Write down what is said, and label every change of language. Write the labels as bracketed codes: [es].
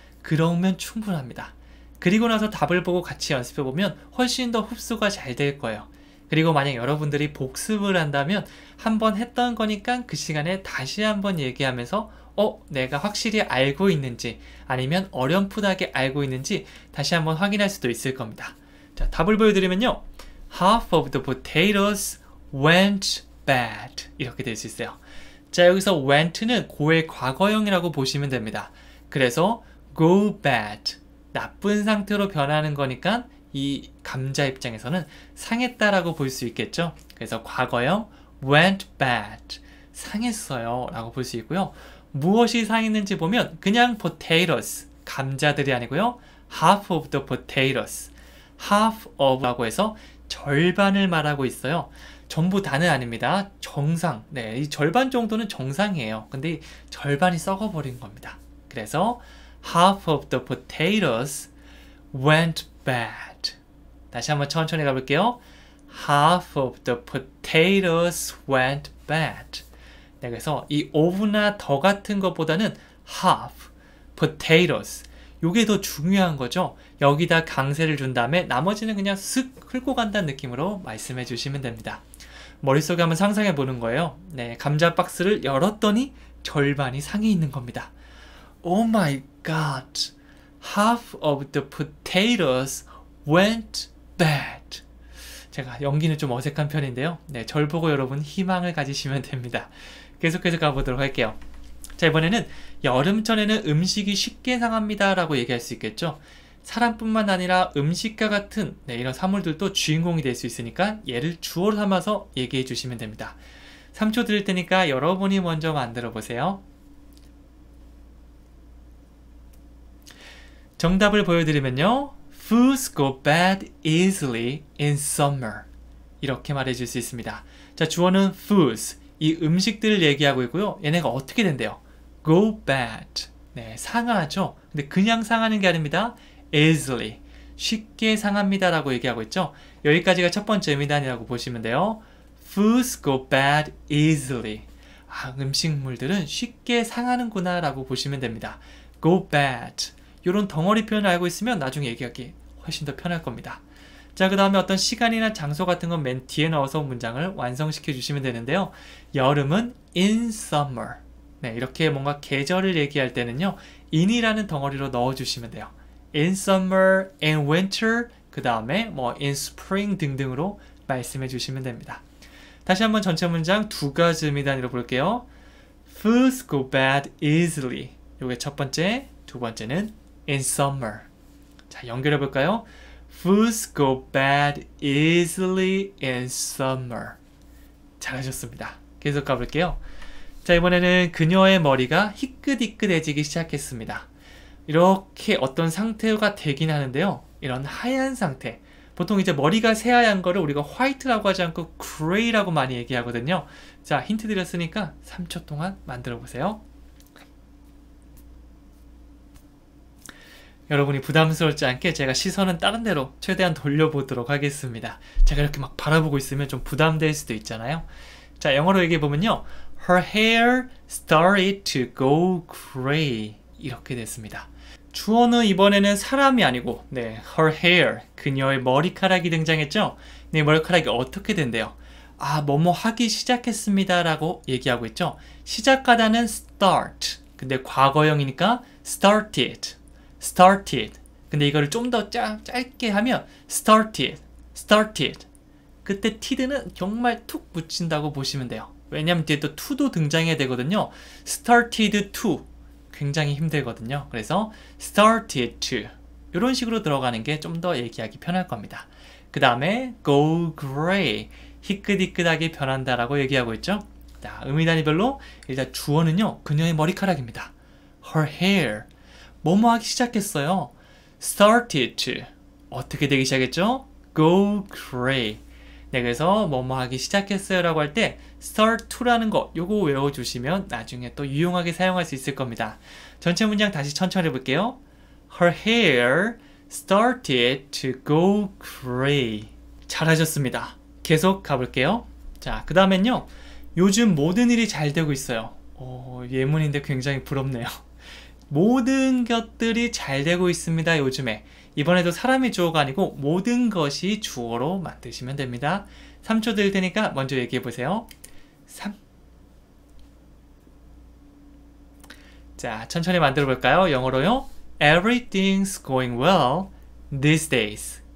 [ko] 그러면 충분합니다. 그리고 나서 답을 보고 같이 연습해 보면 훨씬 더 흡수가 잘될 거예요. 그리고 만약 여러분들이 복습을 한다면 한번 했던 거니까 그 시간에 다시 한번 얘기하면서 내가 확실히 알고 있는지 아니면 어렴풋하게 알고 있는지 다시 한번 확인할 수도 있을 겁니다. 자, 답을 보여드리면요. [en] Half of the potatoes went bad. [ko] 이렇게 될수 있어요. 자, 여기서 went는 고의 과거형이라고 보시면 됩니다. 그래서 go bad. 나쁜 상태로 변하는 거니까 이 감자 입장에서는 상했다라고 볼수 있겠죠. 그래서 과거형 went bad. 상했어요. 라고 볼수 있고요. 무엇이 상했는지 보면 그냥 potatoes 감자들이 아니고요. [en] half of the potatoes [ko] half of라고 해서 절반을 말하고 있어요. 전부 다는 아닙니다. 정상. 네, 이 절반 정도는 정상이에요. 근데 절반이 썩어버린 겁니다. [en] 그래서 half of the potatoes went bad. [ko] 다시 한번 천천히 가볼게요. [en] half of the potatoes went bad. [ko] 네, 그래서 이 of나 the 같은 것보다는 half, potatoes 요게 더 중요한 거죠. 여기다 강세를 준 다음에 나머지는 그냥 슥 훑고 간다는 느낌으로 말씀해 주시면 됩니다. 머릿속에 한번 상상해 보는 거예요. 네, 감자 박스를 열었더니 절반이 상해 있는 겁니다. [en] Oh my god. half of the potatoes went bad. [ko] 제가 연기는 좀 어색한 편인데요. 네, 절 보고 여러분 희망을 가지시면 됩니다. 계속해서 가보도록 할게요. 자, 이번에는 여름철에는 음식이 쉽게 상합니다라고 얘기할 수 있겠죠? 사람뿐만 아니라 음식과 같은 네, 이런 사물들도 주인공이 될수 있으니까 얘를 주어로 삼아서 얘기해 주시면 됩니다. 3초 드릴 테니까 여러분이 먼저 만들어 보세요. 정답을 보여드리면요. [en] Foods go bad easily in summer. [ko] 이렇게 말해 줄수 있습니다. 자, 주어는 foods. 이 음식들을 얘기하고 있고요. 얘네가 어떻게 된대요? Go bad. 네, 상하죠? 근데 그냥 상하는 게 아닙니다. [en] Easily. [ko] 쉽게 상합니다라고 얘기하고 있죠? 여기까지가 첫 번째 의미단이라고 보시면 돼요. [en] Foods go bad easily. [ko] 아, 음식물들은 쉽게 상하는구나라고 보시면 됩니다. [en] Go bad. [ko] 이런 덩어리 표현을 알고 있으면 나중에 얘기하기 훨씬 더 편할 겁니다. 자, 그 다음에 어떤 시간이나 장소 같은 건맨 뒤에 넣어서 문장을 완성시켜 주시면 되는데요. [en] 여름은 in summer. [ko] 네, 이렇게 뭔가 계절을 얘기할 때는요. in이라는 덩어리로 넣어주시면 돼요. [en] in summer, in winter, [ko] 그 다음에 뭐 in spring 등등으로 말씀해 주시면 됩니다. 다시 한번 전체 문장 두 가지 의미단위로 볼게요. [en] Foods go bad easily. [ko] 요게 첫 번째, 두 번째는 in summer. 자, 연결해 볼까요? [en] Foods go bad easily in summer. [ko] 잘하셨습니다. 계속 가볼게요. 자, 이번에는 그녀의 머리가 희끗희끗해지기 시작했습니다. 이렇게 어떤 상태가 되긴 하는데요. 이런 하얀 상태. 보통 이제 머리가 새하얀 거를 우리가 화이트라고 하지 않고 그레이라고 많이 얘기하거든요. 자, 힌트 드렸으니까 3초 동안 만들어 보세요. 여러분이 부담스럽지 않게 제가 시선은 다른 데로 최대한 돌려보도록 하겠습니다. 제가 이렇게 막 바라보고 있으면 좀 부담될 수도 있잖아요. 자, 영어로 얘기해 보면요. [en] Her hair started to go gray. [ko] 이렇게 됐습니다. 주어는 이번에는 사람이 아니고, 네, her hair. 그녀의 머리카락이 등장했죠? 네, 머리카락이 어떻게 된대요? 아, 뭐뭐 하기 시작했습니다라고 얘기하고 있죠. 시작하다는 start. 근데 과거형이니까 started. [en] started. [ko] 근데 이거를 좀더 짧게 하면 started. [en] started. [ko] 그때 티드는 정말 툭 붙인다고 보시면 돼요. 왜냐면 뒤에 또 to도 등장해야 되거든요. started to. 굉장히 힘들거든요. [en] 그래서 started to. [ko] 이런 식으로 들어가는 게좀더 얘기하기 편할 겁니다. 그 다음에 go gray. 희끗희끗하게 변한다라고 얘기하고 있죠. 자, 의미 단위별로 일단 주어는요. 그녀의 머리카락입니다. [en] her hair. [ko] 뭐뭐 하기 시작했어요. [en] started to. [ko] 어떻게 되기 시작했죠? go gray. 네, 그래서 뭐뭐 하기 시작했어요라고 할때 start to라는 거 요거 외워 주시면 나중에 또 유용하게 사용할 수 있을 겁니다. 전체 문장 다시 천천히 해볼게요. [en] Her hair started to go gray. [ko] 잘하셨습니다. 계속 가볼게요. 자, 그 다음엔요. 요즘 모든 일이 잘 되고 있어요. 예문인데 굉장히 부럽네요. 모든 것들이 잘 되고 있습니다, 요즘에. 이번에도 사람이 주어가 아니고 모든 것이 주어로 만드시면 됩니다. 3초 드릴 테니까 먼저 얘기해 보세요. 3. 자, 천천히 만들어 볼까요? 영어로요. [en] Everything's going well these days.